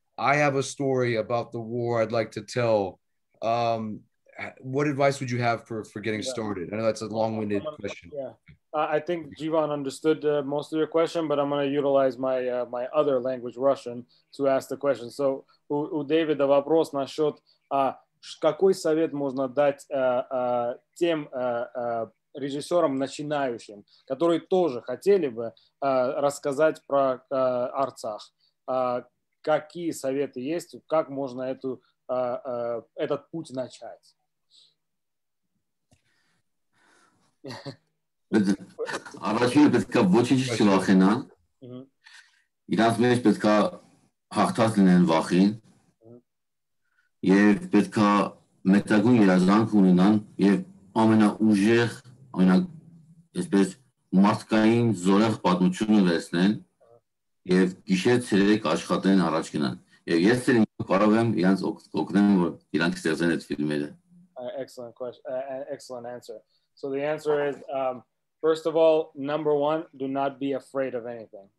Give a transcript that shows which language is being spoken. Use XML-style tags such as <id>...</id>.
<en>I have a story about the war I'd like to tell. What advice would you have for getting started? I know that's a long-winded question. Yeah, I think Jivan understood most of your question, but I'm going to utilize my other language, Russian, to ask the question.</en> <ru>So у Дэвида вопрос насчет, какой совет можно дать тем режиссерам начинающим, которые тоже хотели бы рассказать про Арцах. Какие советы есть, как можно этот путь начать?</ru> <hy>Առաջինը պետք է ոչինչ չվախենան, իրանց մեջ պետք է հաղթած լինեն վախին, և պետք է մետագուն երազանք ունենան, և ամենաուժեղ, այսպես մարդկային զորեղ պատմությունը վերցնեն, և գիշեր ցերեկ աշխատեն առաջ գնան, և ես ցերեկ կարող եմ իրանց օգնեմ, որ իրանք ստեղծեն այդ ֆիլմերը.</hy> <en>Excellent answer. So the answer is, first of all, number one, do not be afraid of anything.</en>